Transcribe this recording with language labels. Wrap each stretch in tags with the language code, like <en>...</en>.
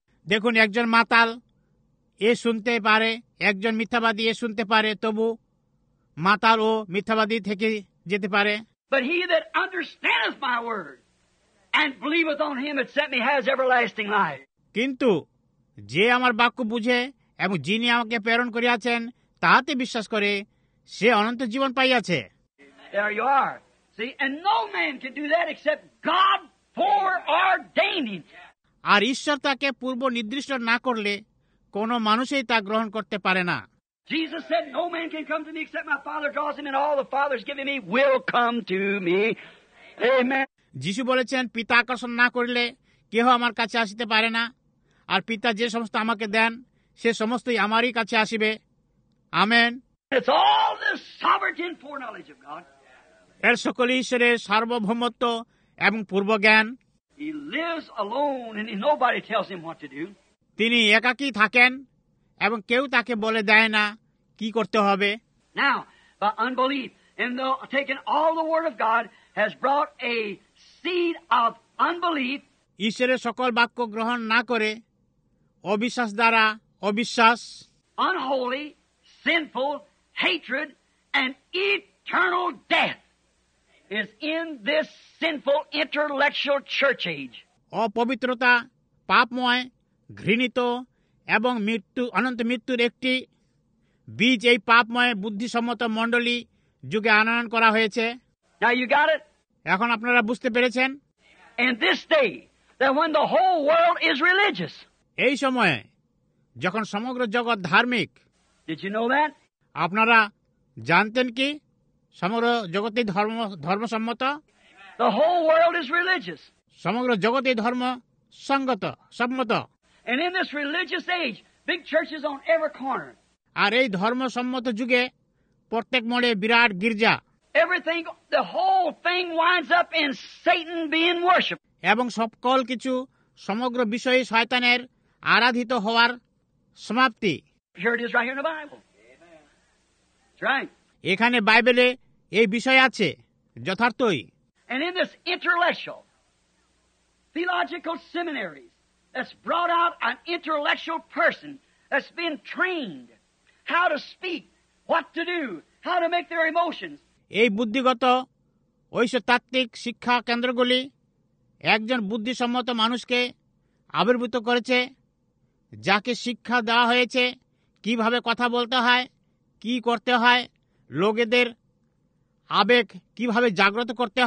<bn>দেখুন একজন মাতাল এ শুনতে পারে একজন মিথ্যাবাদী এ শুনতে পারে তবু মাতাল ও মিথ্যাবাদী থেকে যেতে পারে।</bn> <en>But he that understandeth my word and believeth on him that sent me has everlasting life.</en> <bn>কিন্তু যে আমার বাক্য বুঝে এবং যিনি আমাকে প্রেরণ করিয়াছেন তাহাতে বিশ্বাস করে সে অনন্ত জীবন পাইয়াছে।</bn> <en>There you are. See, and no man can do that except God foreordaining.</en> <bn>আর ঈশ্বর তাকে পূর্ব নির্দিষ্ট না করলে কোনো মানুষই তা গ্রহণ করতে পারে না।</bn> <en>Jesus said, no man can come to me except my Father draws him, and all the Father's given me will come to me. Amen.</en> <bn>যিশু বলেছেন পিতা আকর্ষণ না করলে কেহ আমার কাছে আসতে পারে না আর পিতা যে সমস্ত আমাকে দেন সে সমস্তই আমারই কাছে আসিবে। Amen.</bn> <en>It's all the sovereign foreknowledge of God.</en> <bn>এর সকল ঈশ্বরের সার্বভৌমত্ব এবং পূর্ব জ্ঞান।</bn> <en>He lives alone and nobody tells him what to do.</en> <bn>তিনি একাকী থাকেন এবং কেউ তাকে বলে দেয় না কি করতে হবে।</bn> <en>Now, by unbelief, and though taking all the word of God has brought a seed of unbelief.</en> <bn>ঈশ্বরের সকল বাক্য গ্রহণ না করে অবিশ্বাস দ্বারা অবিশ্বাস,</bn> <en>unholy, sinful, hatred and eternal death is in this sinful intellectual church age.</en> <bn>অপবিত্রতা পাপময় ঘৃণিত এবং মৃত্যু অনন্ত মৃত্যুর একটি বীজ এই পাপময় বুদ্ধিসম্মত মণ্ডলী যুগে আনয়ন করা হয়েছে।</bn> <en>Now you got it?</en> <bn>এখন আপনারা বুঝতে পেরেছেন?</bn> <en>In this day, that when the whole world is religious.</en> <bn>এই সময়ে যখন সমগ্র জগৎ ধার্মিক।</bn> <en>Did you know that?</en> <bn>আপনারা জানতেন কি সমগ্র জগতে ধর্ম ধর্মসম্মত</bn> <en>The whole world is religious.</en> <bn>সমগ্র জগতে ধর্ম সঙ্গত সম্মত</bn> <en>And in this religious age, big churches on every corner.</en> <bn>আর এই ধর্মসম্মত যুগে প্রত্যেক মোড়ে বিরাট গির্জা</bn> <en>Everything, the whole thing winds up in Satan being worshiped.</en> <bn>এবং সকল কিছু সমগ্র বিষয়ে শয়তানের আরাধিত হওয়ার সমাপ্তি</bn> <en>Here it is right here in the Bible. Right.</en> <bn>এখানে বাইবেলে এই বিষয় আছে যথার্থই</bn> <en>And in this intellectual, theological seminaries, that's brought out an intellectual person that's been trained how to speak, what to do, how to make their emotions.</en> <bn>এই বুদ্ধিগত ঐশ্বতাত্ত্বিক শিক্ষা কেন্দ্রগুলি একজন বুদ্ধিসম্মত মানুষকে আবির্ভূত করেছে যাকে শিক্ষা দেওয়া হয়েছে কিভাবে কথা বলতে হয় কি করতে হয় লোকেদের আবেগ কিভাবে জাগ্রত করতে</bn>